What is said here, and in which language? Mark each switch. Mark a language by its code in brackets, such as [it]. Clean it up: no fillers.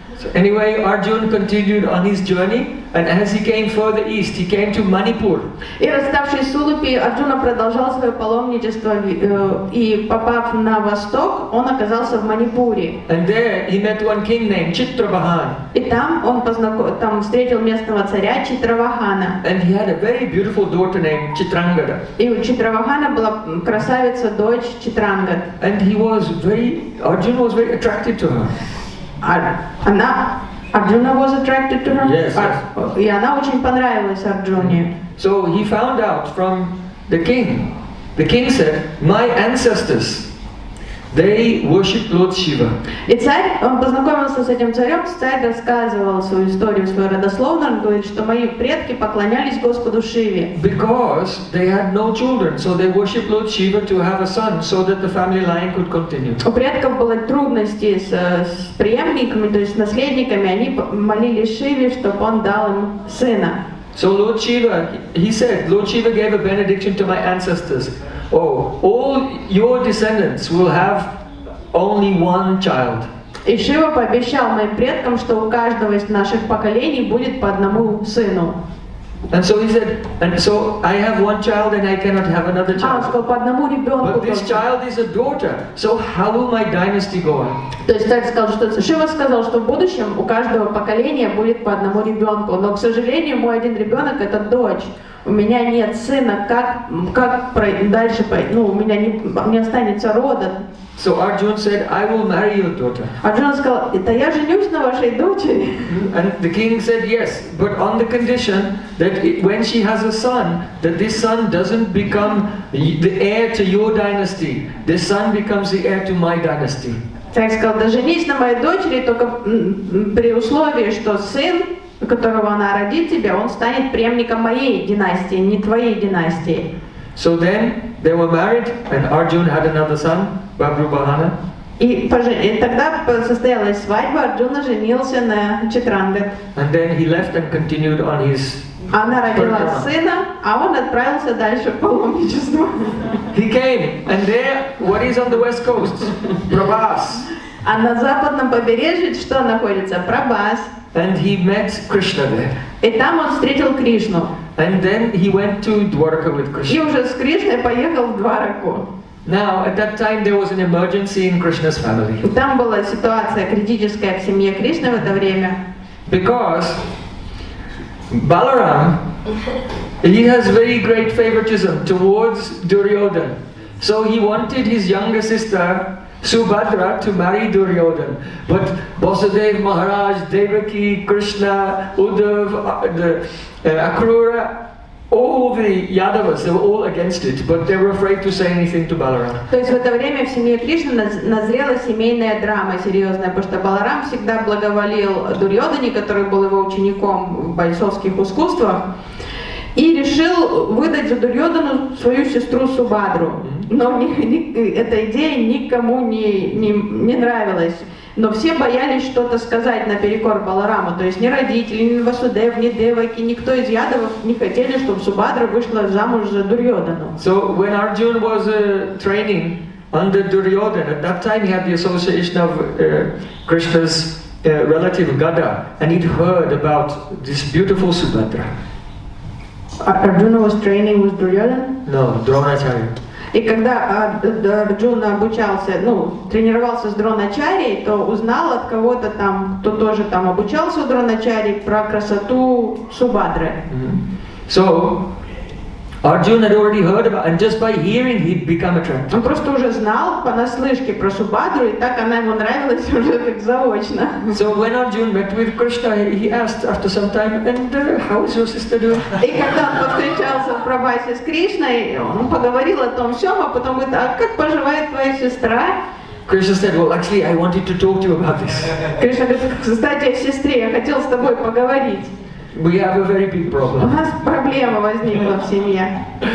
[en] So anyway, Arjuna continued on his journey, and as he came further east, he came to Manipur. [ru] И расставшись с Улупи, Арджуна продолжал свое паломничество, и попав на восток, он оказался в Манипуре. [en] And there he met one king named Chitravahan. [ru] И там он там встретил местного царя Читравахана. [en] And he had a very beautiful daughter named Chitrangada. [ru] И у Читравахана была красавица дочь Читрангад. [en] And Arjuna was very attracted to her. Arjuna was attracted to her. Yes. [ru] И она очень понравилась Арджуне. [en] So he found out from the king. The king said, "My ancestors, they worship Lord Shiva." [ru] И царь, он познакомился с этим царем. Царь рассказывал свою историю, свою родословную. Он говорит, что мои предки поклонялись Господу Шиве. [en] Because they had no children, so they worship Lord Shiva to have a son, so that the family line could continue. [ru] У предков было трудности с преемниками, то есть наследниками. Они молились Шиве, чтобы он дал им сына. [en] So Lord Shiva, he said, Lord Shiva gave a benediction to my ancestors. Oh, all your descendants will have only one child. [ru] И Шива пообещал моим предкам, что у каждого из наших поколений будет по одному сыну. [en] And so he said, and so I have one child and I cannot have another child. [ru] А, сказал, по одному ребенку. [en] But this child is a daughter, so how will my dynasty go on? [ru] То есть так сказал, что Шива сказал, что в будущем у каждого поколения будет по одному ребенку. Но, к сожалению, мой один ребенок — это дочь. У меня нет сына, как дальше пойти? Ну, у меня не останется рода. [en] So Arjun said, I will marry your daughter. [ru] Arjun сказал, это я женюсь на вашей дочери. [en] And the king said, yes, but on the condition that when she has a son, that this son doesn't become the heir to your dynasty. This son becomes the heir to my dynasty. [ru] Царь сказал, да женись на моей дочери, только при условии, что сын, которого она родит тебе, он станет преемником моей династии, не твоей династии. [en] So then they were married, and Arjun had another son, Babrubahana. [ru] И тогда состоялась свадьба, Арджуна женился на Читранде. [en] And then he left and continued on his. [ru] Она родила сына, а он отправился дальше в паломничество. [en] He came, and there, what is on the west coast? Prabhas. [ru] А на западном побережье что находится? Прабхас. [en] And he met Krishna there. [ru] И там он встретил Кришну. [en] And then he went to Dwaraka with Krishna. [ru] И уже с Кришной поехал в Двараку. [en] Now at that time there was an emergency in Krishna's family. [ru] Там была ситуация критическая в семье Кришны в это время. [en] Because Balaram, he has very great favoritism towards Duryodhan, so he wanted his younger sister Subhadra to marry Duryodhan, but Vasudev Maharaj, Devaki, Krishna, Uddhav, Akrura, all the Yadavas, they were all against it, but they were afraid to say anything to Balaram. [ru] То есть в это время в семье Кришны назрела семейная драма серьезная, потому что Баларам всегда благоволил Дурьодане, который был его учеником в бойцовских искусствах, и решил выдать за Дурьодану свою сестру Субхадру. Но эта идея никому не нравилась. Но все боялись что-то сказать наперекор Балараму. То есть ни родители, ни Васудев, ни Деваки, никто из Ядовов не хотели, чтобы Субхадра вышла замуж за Дурьодану. [en] So when Arjun was training under Duryodhan, at that time he had the association of Krishna's relative Gada, and he'd heard about this beautiful Subhadra. Arjuna was training with Duryodhan? No, Dronacharya. [ru] И когда Арджуна обучался, ну, тренировался с Дроначарьей, то узнал от кого-то там, кто тоже там обучался у Дроначарьи, про красоту Субхадры. Mm-hmm. [en] So, Arjuna had already heard about, and just by hearing he'd become attracted. [ru] Он просто уже знал понаслышке про Субхадру, и так она ему нравилась уже как заочно. [en] So when Arjuna met with Krishna, he asked after some time, and how is your sister doing? [ru] И когда он повстречался в Прабхасе с Кришной, он поговорил о том всем, а потом говорит, а как поживает твоя сестра? [en] Krishna said, well, actually, I wanted to talk to you about this. [ru] Кришна говорит, кстати, о сестре, я хотел с тобой поговорить. [en] We have a very big problem. [ru] У нас проблема возникла в семье.